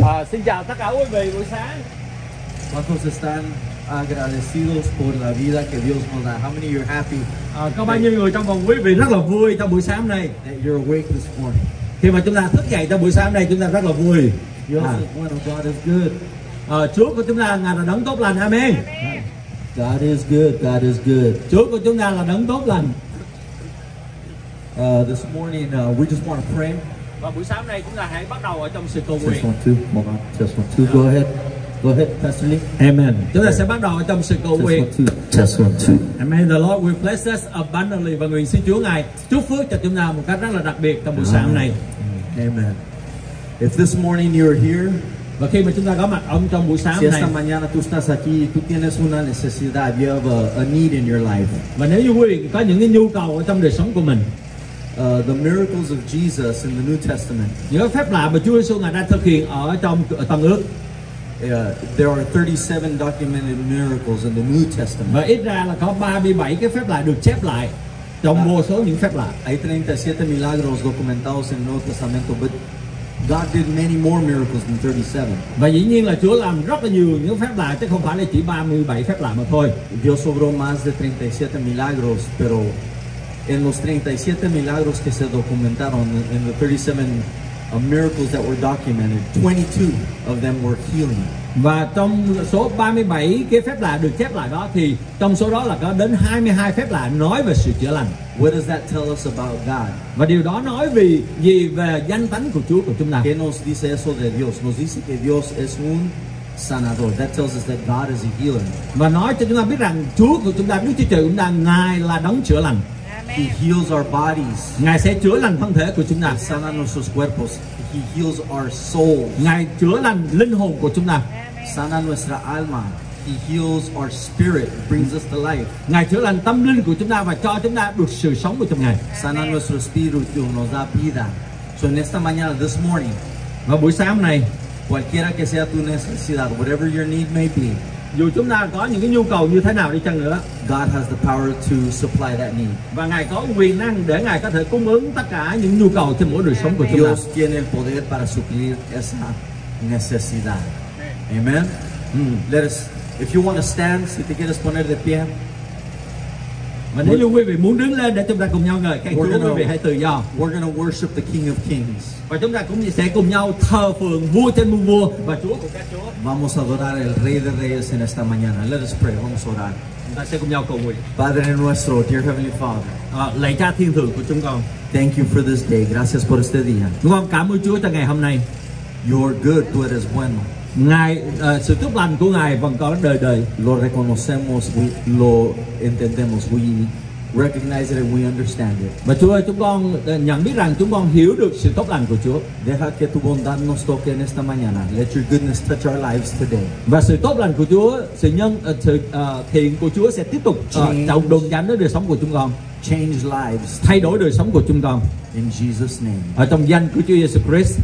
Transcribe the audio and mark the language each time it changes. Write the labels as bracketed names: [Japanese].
[Vietnamese] Xin chào tất cả quý vị buổi sáng. [Spanish] ¿Cuántos están agradecidos por la vida que Dios nos da? [English] How many of you are happy? [Vietnamese] Có bao nhiêu người trong phòng quý vị rất là vui trong buổi sáng này? [English] That you're awake this morning. [Vietnamese] Khi mà chúng ta thức dậy trong buổi sáng này, chúng ta rất là vui. [English] Yes, God is good. [Vietnamese] Chúa của chúng ta ngài là đấng tốt lành. [English] Amen. Amen. God is good. God is good. [Vietnamese] Chúa của chúng ta là đấng tốt lành. [English] This morning we just want to pray. [Vietnamese] Và buổi sáng nay chúng ta hãy bắt đầu ở trong sự cầu nguyện. [English] Test 1, 2, 1, 2, go ahead. Go ahead, Pastor Lee. Amen. [Vietnamese] Chúng ta sẽ bắt đầu ở trong sự cầu nguyện. [English] Test 1, 2. Amen. The Lord will bless us abundantly. [Vietnamese] Và nguyện xin Chúa Ngài chúc phước cho chúng ta một cách rất là đặc biệt trong buổi sáng hôm nay. [English] Amen. If this morning you're here, [Vietnamese] và khi mà chúng ta có mặt ông trong buổi sáng [Spanish] này, si esta mañana tú estás aquí, tú tienes una necesidad, [English] you have a need in your life. [Vietnamese] Và nếu như quý vị có những cái nhu cầu ở trong đời sống của mình, [English] The miracles of Jesus in the New Testament. [Vietnamese] Những phép lạ mà Chúa Giêsu ngài đã thực hiện ở trong Tân Ước. [English] There are 37 documented miracles in the New Testament. [Vietnamese] Và ít ra là có 37 cái phép lạ được chép lại trong vô số những phép lạ. [Spanish] Hay 37 milagros documentados en el Nuevo Testamento, [English] but God did many more miracles than 37. [Vietnamese] Và dĩ nhiên là Chúa làm rất là nhiều những phép lạ chứ không phải là chỉ 37 phép lạ mà thôi. [Spanish] Dios obró más de 37 milagros, pero en los 37 milagros que se documentaron, en los 37 [English] miracles that were documented, 22 of them were healing. [Vietnamese] Và trong số 37 cái phép lạ được chép lại đó thì trong số đó là có đến 22 phép lạ nói về sự chữa lành. [English] What does that tell us about God? [Vietnamese] Và điều đó nói vì gì về danh tánh của Chúa của chúng ta? [Spanish] ¿Qué nos dice eso de Dios? Nos dice que Dios es un sanador. [English] That tells us that God is a healer. [Vietnamese] Và nói cho chúng ta biết rằng Chúa của chúng ta, Đức Chúa Trời cũng đang ngài là đấng chữa lành. [English] He heals our bodies. [Vietnamese] Ngài sẽ chữa lành thân thể của chúng ta. [English] He [Spanish] sana nuestros cuerpos. [English] He heals our soul. [Vietnamese] Ngài chữa lành linh hồn của chúng ta. [Spanish] Sana nuestra alma. [English] He heals our spirit, brings us to life. [Vietnamese] Ngài chữa lành tâm linh của chúng ta và cho chúng ta được sự sống của trong Ngài. [Spanish] Sana nuestro espíritu, nos da vida. So en esta mañana, [English] this morning, [Vietnamese] và buổi sáng này, [Spanish] cualquiera que sea tu necesidad, [English] whatever your need may be, [Vietnamese] dù chúng ta có những cái nhu cầu như thế nào đi chăng nữa, [English] God has the power to supply that need. [Vietnamese] Và ngài có quyền năng để ngài có thể cung ứng tất cả những nhu cầu trên mỗi đời sống của chúng ta. [Spanish] Dios tiene el poder para suplir esa necesidad. [English] Amen. Let us, if you want to stand, [Spanish] si te quieres poner de pie. [Vietnamese] Và nếu như quý vị muốn đứng lên để chúng ta cùng nhau ngợi khen Chúa, quý vị hãy tự do. [English] We're gonna worship the King of Kings. [Vietnamese] Và chúng ta cũng sẽ cùng nhau thờ phượng vua trên muôn vua và Chúa của các Chúa. [Spanish] Vamos a adorar el Rey de Reyes en esta mañana. [English] Let us pray. [Spanish] Vamos a orar. [Vietnamese] Chúng ta sẽ cùng nhau cầu nguyện. [Spanish] Padre nuestro, [English] dear heavenly Father. [Vietnamese] Lạy Cha thiên thượng của chúng con. [English] Thank you for this day. [Spanish] Gracias por este día. [Vietnamese] Chúng con cảm ơn Chúa cho ngày hôm nay. [English] You're good. [Spanish] Tú eres bueno. [Vietnamese] Ngài sự chúc lành của ngài vẫn có đời đời. [Spanish] Lo reconocemos, lo entendemos, [English] we recognize it and we understand it. [Vietnamese] Và Chúa ơi, chúng con nhận biết rằng chúng con hiểu được sự tốt lành của Chúa. [Spanish] Deja que tu bondad nos toque en esta mañana. [English] Let your goodness touch our lives today. [Vietnamese] Và sự tốt lành của Chúa, sự nhân sự thiện của Chúa sẽ tiếp tục trong đồn dành đến đời sống của chúng con. [English] Change lives. [Vietnamese] Thay đổi đời sống của chúng con. [English] In Jesus name. [Vietnamese] Ở trong danh của Chúa Jesus Christ.